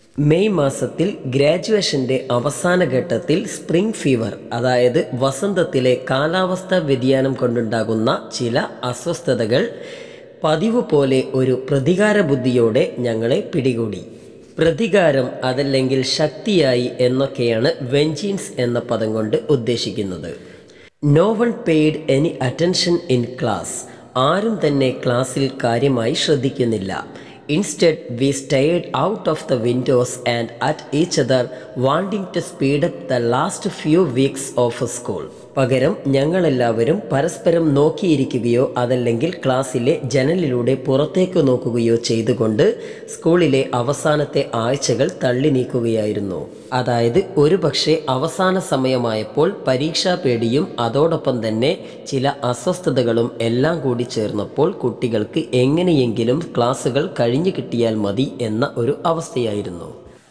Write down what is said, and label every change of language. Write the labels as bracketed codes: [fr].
[ml] May മാസത്തിൽ ഗ്രാജുവേഷൻ്റെ അവസാന ഘട്ടത്തിൽ സ്പ്രിംഗ് ഫീവർ, അതായത് വസന്തത്തിലെ കാലാവസ്ഥാ വ്യതിയാനം കൊണ്ടുണ്ടാകുന്ന ചില അസ്വസ്ഥതകൾ പതിവ് പോലെ ഒരു പ്രതികാര ബുദ്ധിയോടെ ഞങ്ങളെ പിടികൂടി. പ്രതികാരം അതല്ലെങ്കിൽ ശക്തിയായി എന്നൊക്കെയാണ് വെഞ്ചീൻസ് എന്ന പദം കൊണ്ട് ഉദ്ദേശിക്കുന്നത്. [en] No one paid any attention in class. [ml] ആരും തന്നെ ക്ലാസ്സിൽ കാര്യമായി ശ്രദ്ധിക്കുന്നില്ല. [en] Instead, we stared out of the windows and at each other, wanting to speed up the last few weeks of school. [ml] പകരം ഞങ്ങളെല്ലാവരും പരസ്പരം നോക്കിയിരിക്കുകയോ അതല്ലെങ്കിൽ ക്ലാസ്സിലെ ജനലിലൂടെ പുറത്തേക്ക് നോക്കുകയോ ചെയ്തുകൊണ്ട് സ്കൂളിലെ അവസാനത്തെ ആഴ്ചകൾ തള്ളി നീക്കുകയായിരുന്നു. അതായത് ഒരുപക്ഷെ അവസാന സമയമായപ്പോൾ പരീക്ഷാ പേടിയും അതോടൊപ്പം തന്നെ ചില അസ്വസ്ഥതകളും എല്ലാം കൂടി ചേർന്നപ്പോൾ കുട്ടികൾക്ക് എങ്ങനെയെങ്കിലും ക്ലാസ്സുകൾ കഴിഞ്ഞു കിട്ടിയാൽ മതി എന്ന ഒരു അവസ്ഥയായിരുന്നു.